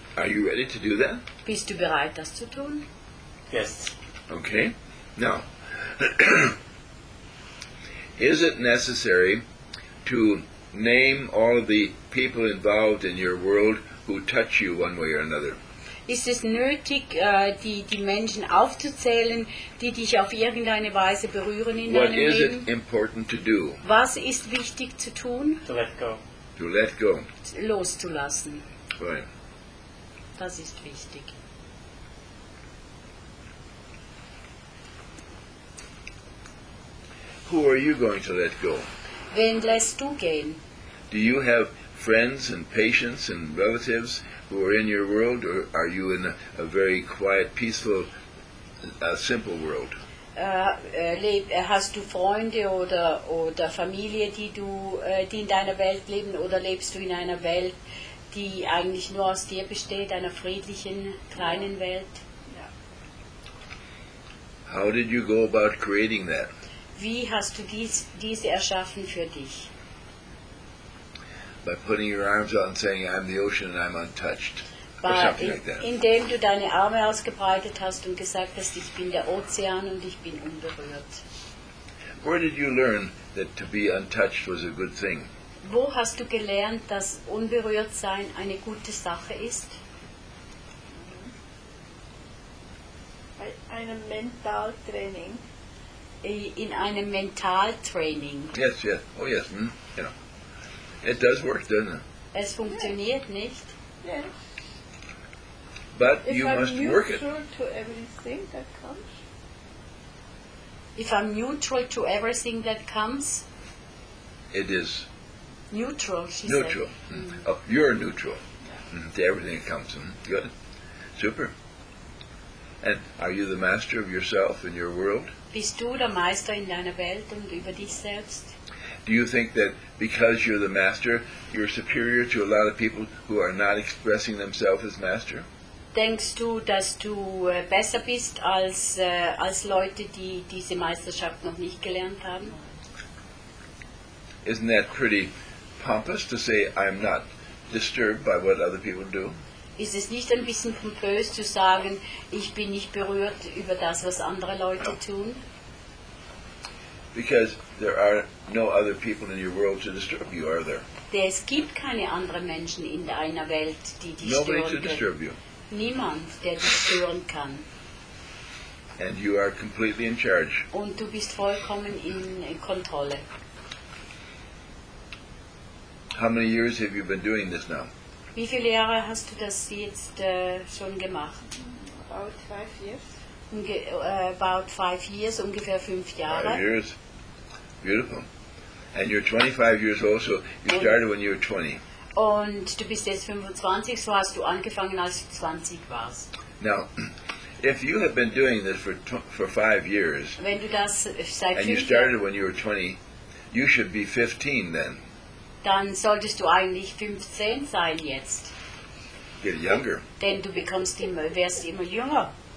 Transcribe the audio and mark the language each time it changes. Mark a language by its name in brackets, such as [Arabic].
[English] Are you ready to do that? [German] Bist du bereit, das zu tun? [English] Yes. Okay. Now, is it necessary to name all of the people involved in your world who touch you one way or another? [German] Ist es nötig, die Menschen aufzuzählen, die dich auf irgendeine Weise berühren in deinem Leben? [English] What is it important to do? [German] Was ist wichtig zu tun? [English] To let go. To let go. [German] Loszulassen. [English] Right. [German] Das ist wichtig. [English] Who are you going to let go? [German] Wen lässt du gehen? [English] Do you have friends and patients and relatives who are in your world, or are you in a very quiet, peaceful, simple world? [German] Hast du Freunde oder Familie, die in deiner Welt leben, oder lebst du in einer Welt, die eigentlich nur aus dir besteht, einer friedlichen, kleinen Welt? Ja. [English] How did you go about creating that? [German] Wie hast du diese erschaffen für dich? [English] By putting your arms out and saying, I'm the ocean and I'm untouched. By or something like that. [German] Indem du deine Arme ausgebreitet hast und gesagt hast, ich bin der Ozean und ich bin unberührt. [English] Where did you learn that to be untouched was a good thing? [German] Wo hast du gelernt, dass unberührt sein eine gute Sache ist? Bei einem Mentaltraining. In einem Mentaltraining. [English] Yes, yes. Oh, yes. Mm-hmm. Yeah. It does work, doesn't it? [German] Es funktioniert nicht. [English] Yes. But if you I'm must work it. If I'm neutral to everything that comes. If I'm neutral to everything that comes. It is. Neutral, she neutral. Said. Mm-hmm. Mm-hmm. Oh, you're neutral to everything that comes. Mm-hmm. Good. Super. And are you the master of yourself and your world? [German] Bist du der Meister in deiner Welt und über dich selbst? [English] Do you think that because you're the master, you're superior to a lot of people who are not expressing themselves as master? [German] Denkst du, dass du besser bist als Leute, die diese Meisterschaft noch nicht gelernt haben? [English] Isn't that pretty pompous to say, I'm not disturbed by what other people do? [German] Ist es nicht ein bisschen pompös zu sagen, ich bin nicht berührt über das, was andere Leute tun? [English] Because there are no other people in your world to disturb you, are there? [German] Es gibt keine anderen Menschen in deiner Welt, die dich [English] nobody Nobody to disturb you. [German] Niemand, der dich stören kann. [English] And you are completely in charge. [German] Und du bist vollkommen in Kontrolle. [English] How many years have you been doing this now? [German] Wie viele Jahre hast du das jetzt schon gemacht? [English] About 5 years. About 5 years, [German] ungefähr 5 Jahre. [English] 5 years. Beautiful. And you're 25 years old, so you started when you were 20. [German] Und du bist jetzt 25, so hast du angefangen, als du 20 warst. [English] Now, if you have been doing this for 5 years, [German] wenn du das seit [English] and you started when you were 20, you should be 15 then. [German] Dann solltest du eigentlich 15 sein jetzt. [English] Get younger. [German] Denn du wirst immer jünger.